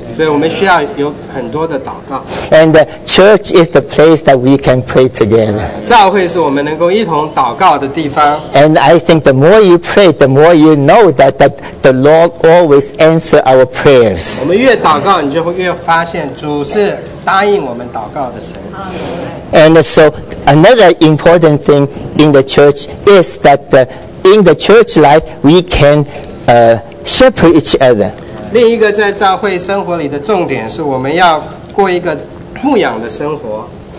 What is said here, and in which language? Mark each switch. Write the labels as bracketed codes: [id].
[zh] 所以我们需要有很多的祷告。 [en] And church is the place that we can pray together. [zh] 教会是我们能够一同祷告的地方。 [en] And I think the more you pray, the more you know that the Lord always answers our prayers. [zh] 我们越祷告，你就会越发现主是答应我们祷告的神。 [en] And so another important thing in the church is that in the church life we can shepherd each other. [zh] 另一个在教会生活里的重点是我们要过一个牧养的生活。